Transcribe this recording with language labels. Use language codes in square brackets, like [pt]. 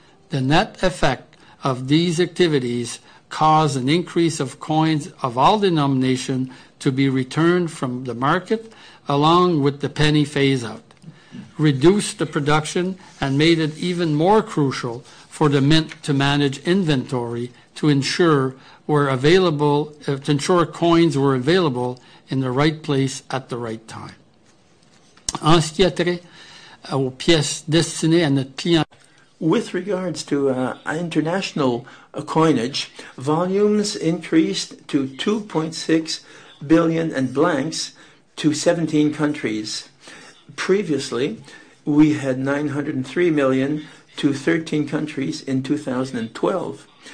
[en] The net effect of these activities caused an increase of coins of all denomination to be returned from the market, along with the penny phase-out, reduced the production, and made it even more crucial for the Mint to manage inventory to ensure coins were available in the right place at the right time. [fr] En ce qui a trait aux pièces destinées à notre client. [en] With regards to international coinage, volumes increased to 2.6 billion and blanks to 17 countries. Previously, we had 903 million to 13 countries in 2012.